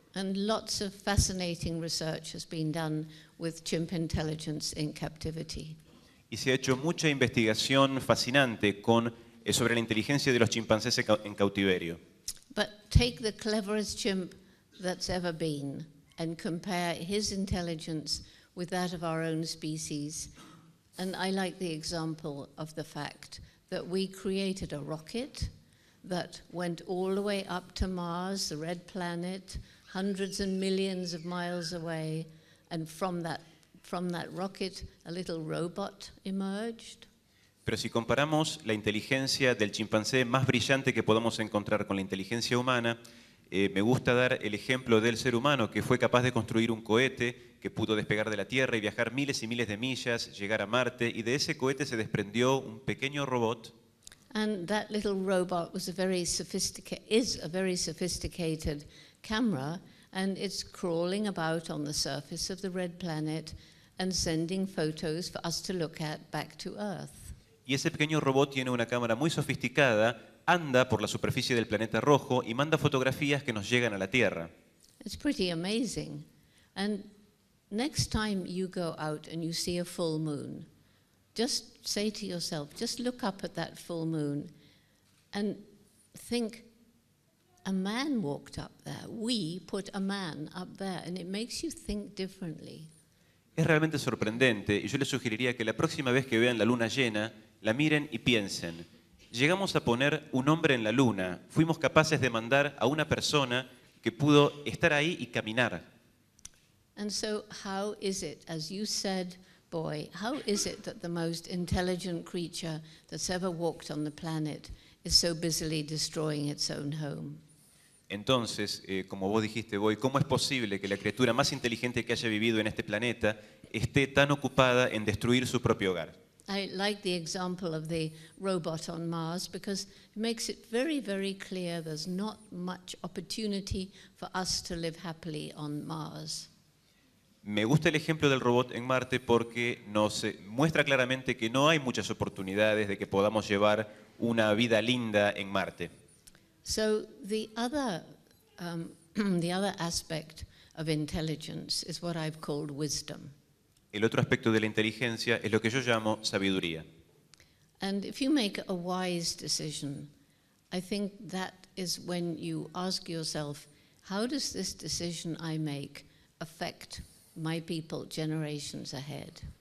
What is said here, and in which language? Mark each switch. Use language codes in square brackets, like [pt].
[en] And lots of fascinating research has been done with chimp intelligence in captivity. [es] Y se ha hecho mucha investigación fascinante sobre la inteligencia de los chimpancés en cautiverio. [en] But take the cleverest chimp that's ever been and compare his intelligence with that of our own species, and I like the example of the fact that we created a rocket that went all the way up to Mars, the red planet, hundreds and millions of miles away, and from that rocket a little robot emerged. [es] Pero si comparamos la inteligencia del chimpancé más brillante que podamos encontrar con la inteligencia humana, me gusta dar el ejemplo del ser humano que fue capaz de construir un cohete que pudo despegar de la Tierra y viajar miles y miles de millas, llegar a Marte, y de ese cohete se desprendió un pequeño robot. [en] And that little robot was a very sophisticated camera, and it's crawling about on the surface of the red planet and sending photos for us to look at back to Earth. [es] Y ese pequeño robot tiene una cámara muy sofisticada, anda por la superficie del planeta rojo y manda fotografías que nos llegan a la Tierra. [en] It's pretty amazing. And next time you go out and you see a full moon, just say to yourself, just look up at that full moon and think, a man walked up there. We put a man up there, and it makes you think differently. [es] Es realmente sorprendente, y yo les sugeriría que la próxima vez que vean la luna llena, la miren y piensen. Llegamos a poner un hombre en la luna. Fuimos capaces de mandar a una persona que pudo estar ahí y caminar. [en] And so, how is it, as you said, boy, how is it that the most intelligent creature that's ever walked on the planet is so busily destroying its own home? [es] Entonces, como vos dijiste, boy, ¿cómo es posible que la criatura más inteligente que haya vivido en este planeta esté tan ocupada en destruir su propio hogar? [en] I like the example of the robot on Mars because it makes it very, very clear there's not much opportunity for us to live happily on Mars. [es] Me gusta el ejemplo del robot en Marte porque nos muestra claramente que no hay muchas oportunidades de que podamos llevar una vida linda en Marte. [en] So the other aspect of intelligence is what I've called wisdom. [es] El otro aspecto de la inteligencia es lo que yo llamo sabiduría. [en] And if you make a wise decision, I think that is when you ask yourself, how does this decision I make affect my people generations ahead?